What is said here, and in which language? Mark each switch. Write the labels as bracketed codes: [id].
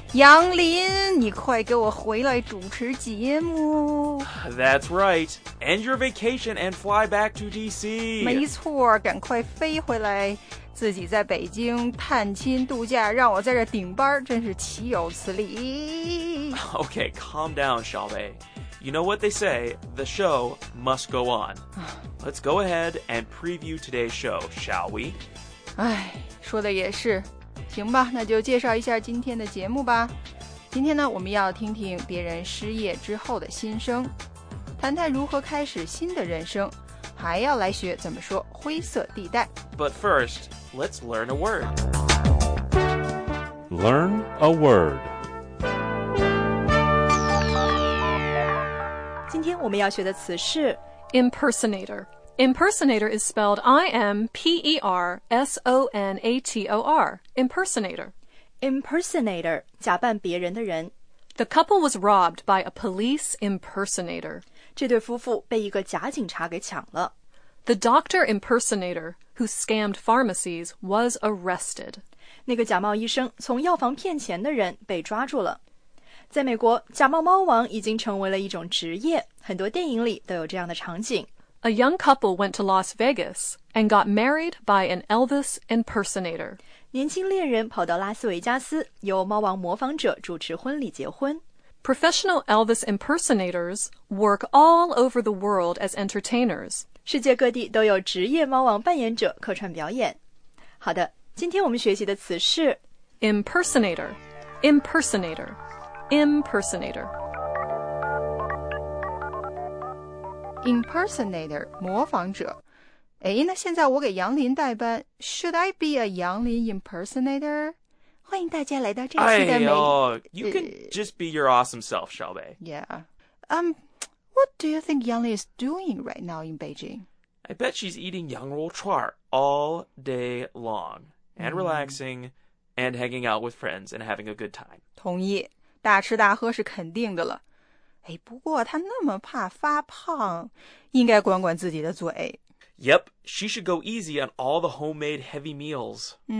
[zh] 杨林，你快给我回来主持节目。 [en] That's right. End your vacation and fly back to DC. [zh] 没错，赶快飞回来，自己在北京探亲度假，让我在这顶班，真是岂有此理。 [en] Okay, calm down, 小北。 You know what they say, the show must go on. Let's go ahead and preview today's show, shall we? [zh] 哎，说的也是。行吧，那就介绍一下今天的节目吧。今天呢，我们要听听别人失业之后的心声，谈谈如何开始新的人生，还要来学怎么说灰色地带。 [en] But first, let's learn a word. Learn a word. [zh] 今天我们要学的词是 [en] impersonator. Impersonator is spelled I-M-P-E-R-S-O-N-A-T-O-R. Impersonator. [zh] Impersonator, 假扮别人的人。 [en] The couple was robbed by a police impersonator. [zh] 这对夫妇被一个假警察给抢了。 [en] The doctor impersonator, who scammed pharmacies, was arrested. [zh] 那个假冒医生从药房骗钱的人被抓住了。在美国，假冒猫王已经成为了一种职业，很多电影里都有这样的场景。 [en] A young couple went to Las Vegas and got married by an Elvis impersonator. [zh] 年轻恋人跑到拉斯维加斯，由猫王模仿者主持婚礼结婚。 [en] Professional Elvis impersonators work all over the world as entertainers. [zh] 世界各地都有职业猫王扮演者客串表演。好的，今天我们学习的词是 [en] impersonator, impersonator. Impersonator. [zh] Impersonator, 模仿者。哎，那现在我给杨林代班。 [en] Should I be a 杨林 impersonator? [zh] 欢迎大家来到这期的美。 [en] You can just be your awesome self, 小北。 Yeah. What do you think 杨林 is doing right now in Beijing? I bet she's eating 羊肉串 all day long and relaxing and hanging out with friends and having a good time. [zh] 同意。大吃大喝是肯定的了。哎，不过她那么怕发胖，应该管管自己的嘴。 [en] Yep, she should go easy on all the homemade heavy meals.